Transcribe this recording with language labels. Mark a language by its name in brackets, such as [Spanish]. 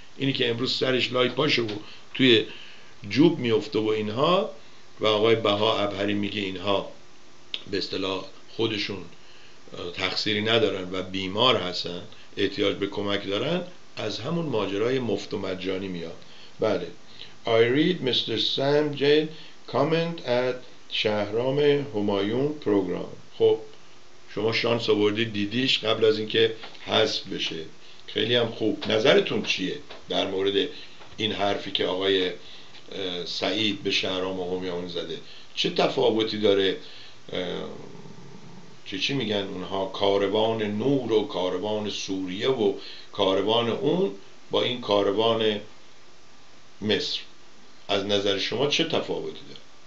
[Persian] اینی که امروز سرش لای پاشه و توی جوب میفته و اینها، و آقای بها ابهری میگه اینها به اصطلاح خودشون تقصیری ندارن و بیمار هستن، احتیاج به کمک دارن، از همون ماجرای مفت و مجانی میاد. [English] بله. I read Mr. Sam Jain comment at Shahram Homayoun program. خب [Persian] شما شانس آوردید دیدیش قبل از اینکه حذف بشه. خیلی هم خوب. نظرتون چیه در مورد این حرفی که آقای سعید به شهرام همیان زده؟ چه تفاوتی داره؟ چی میگن اونها، کاروان نور و کاروان سوریه و کاروان اون، با این کاروان مصر از نظر شما چه تفاوتی داره؟